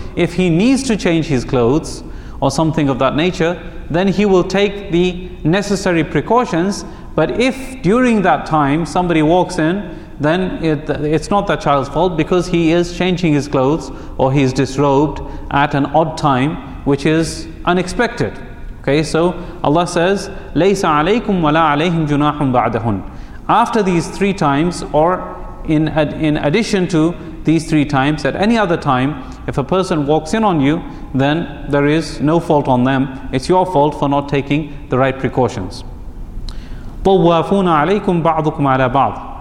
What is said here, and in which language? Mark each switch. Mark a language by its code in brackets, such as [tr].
[en] If he needs to change his clothes or something of that nature, then he will take the necessary precautions. But if during that time somebody walks in, then it's not that child's fault, because he is changing his clothes or he is disrobed at an odd time, which is unexpected. Okay, so Allah says, [ar] لَيْسَ عَلَيْكُمْ وَلَا عَلَيْهِمْ جُنَاحٌ بَعْدَهُنْ. [en] After these three times, or in addition to these three times, at any other time, if a person walks in on you, then there is no fault on them. It's your fault for not taking the right precautions. [ar] طَوَّافُونَ عَلَيْكُمْ بَعْضُكُمْ عَلَى بَعْضٍ.